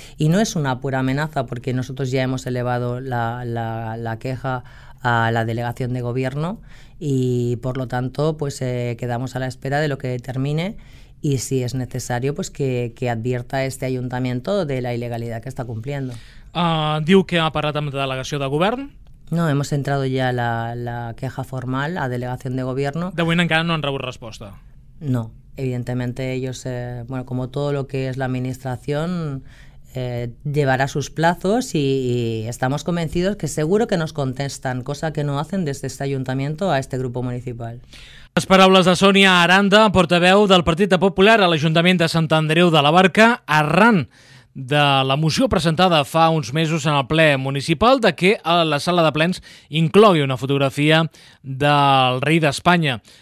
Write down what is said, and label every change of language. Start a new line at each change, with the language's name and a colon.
Spanish: Y no es una pura amenaza, porque nosotros ya hemos elevado la queja a la delegación de gobierno y, por lo tanto, pues quedamos a la espera de lo que determine y, si es necesario, pues que advierta este ayuntamiento de la ilegalidad que está cumpliendo.
Catalan: Diu que ha parlat amb la delegació de govern.
Spanish: No, hemos entrado ya la queja formal a delegación de gobierno.
Catalan: De moment encara no han rebut resposta.
Spanish: No, evidentemente ellos, bueno, como todo lo que es la administración, llevará sus plazos y estamos convencidos que seguro que nos contestan, cosa que no hacen desde este ayuntamiento a este grupo municipal.
Catalan: Les paraules de Sònia Aranda, portaveu del Partit Popular a l'Ajuntament de Sant Andreu de la Barca, arran de la moció presentada fa uns mesos en el ple municipal de que a la sala de plens inclogui una fotografia del rei d'Espanya.